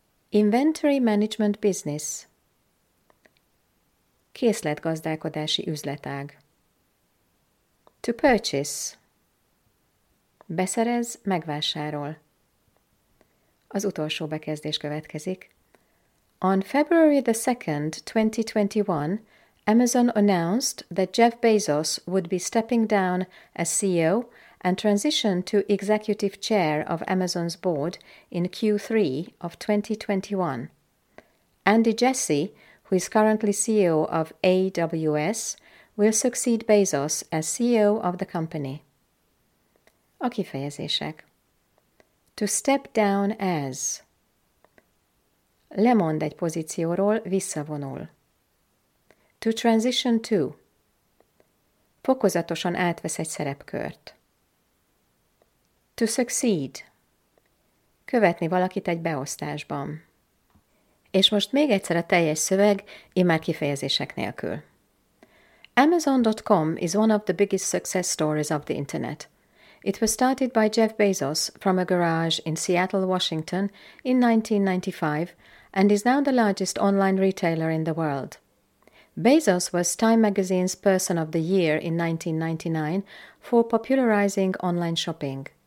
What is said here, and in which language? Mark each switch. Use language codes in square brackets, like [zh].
[en] Inventory management business. [hu] Készletgazdálkodási üzletág. [en] To purchase. [hu] Beszerez, megvásárol. Az utolsó bekezdés következik. [en] On February the 2nd, 2021, Amazon announced that Jeff Bezos would be stepping down as CEO and transition to executive chair of Amazon's board in Q3 of 2021. Andy Jassy, who is currently CEO of AWS, will succeed Bezos as CEO of the company. [hu] A kifejezések. [en] To step down as. [hu] Lemond egy pozícióról, visszavonul. [en] To transition to. [hu] Fokozatosan átvesz egy szerepkört. [en] To succeed. [hu] Követni valakit egy beosztásban. És most még egyszer a teljes szöveg, immár kifejezések nélkül. [en] Amazon.com is one of the biggest success stories of the internet. It was started by Jeff Bezos from a garage in Seattle, Washington in 1995 and is now the largest online retailer in the world. Bezos was Time Magazine's Person of the Year in 1999 for popularizing online shopping.